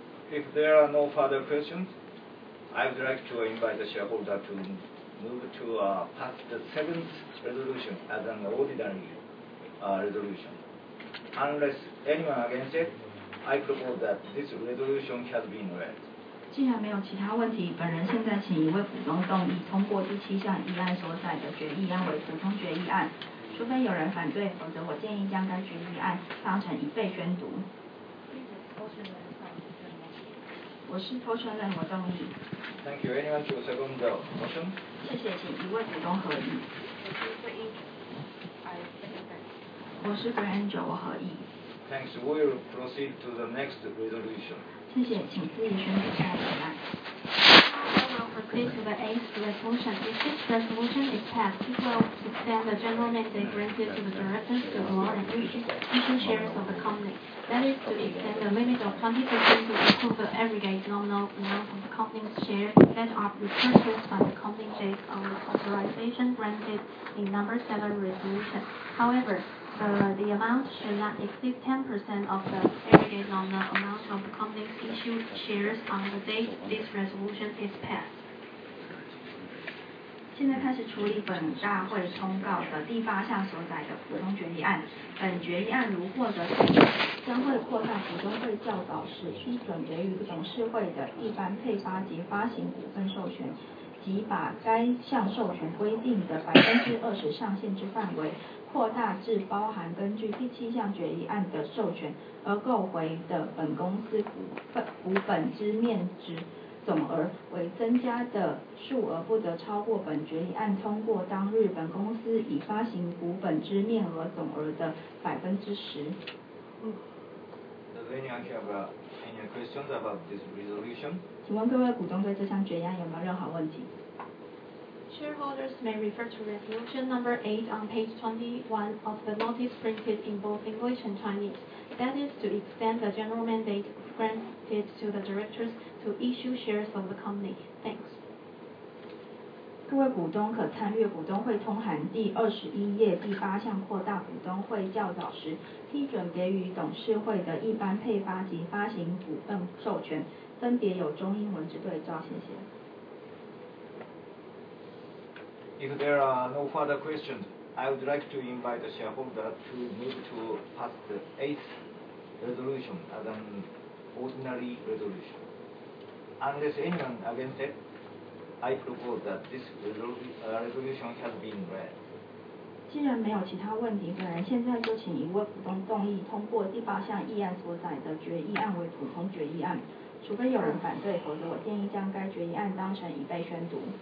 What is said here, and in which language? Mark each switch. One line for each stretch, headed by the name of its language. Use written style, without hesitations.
English: If there are no further questions, I would like to invite the shareholder to move to pass the seventh resolution as an ordinary resolution. Unless anyone against it, I propose that this resolution has been read.
Chinese: 既然没有其他问题，本人现在请一位股东动议通过第七项议案所载的决议案为普通决议案，除非有人反对，否则我建议将该决议案当成一备宣读。我是投权人，我动议。
English: Thank you. Anyone to second the motion?
Chinese: 谢谢，请一位股东合议。我是 Granger， 我合议。
English: Thanks. We will proceed to the next resolution.
Chinese: 谢谢，请自己选择下一个案。
English: Proceed to the eighth resolution. If this resolution is passed, it will suspend the general mandate granted to the directors to award and issue shares of the company. That is to extend the limit of 20% to include the aggregate nominal amount of the company's shares that are repurchased by the company based on the authorization granted in number 7 resolution. However, the amount should not exceed 10% of the aggregate nominal amount of the company's issued shares on the date this resolution is passed.
Chinese: 现在开始处理本大会通告的第八项所载的股东决议案。本决议案如获得通过，将会扩大股东会较早时批准给予董事会的一般配发及发行股份授权，即把该项授权规定的20%上限之范围扩大至包含根据第七项决议案的授权而购回的本公司股份之面值。总额为增加的数额不得超过本决议案通过当日本公司已发行股本之面额总额的10%。
English: Does anyone have any questions about this resolution?
Chinese: 请问各位股东对这项决议案有没有任何问题？
English: Shareholders may refer to resolution number 8 on page 21 of the notice printed in both English and Chinese. That is to extend the general mandate granted to the directors to issue shares of the company. Thanks.
Chinese: 各位股东可参阅股东会通函第21页第八项扩大股东会较早时批准给予董事会的一般配发及发行股份授权，分别有中英文之对照，谢谢。
English: If there are no further questions, I would like to invite the shareholder to move to pass the 8th resolution as an ordinary resolution. Unless anyone against it, I propose that this resolution has been read.
Chinese: 既然没有其他问题，本人现在就请一位股东动议通过第八项议案所载的决议案为普通决议案，除非有人反对，否则我建议将该决议案当成已被宣读。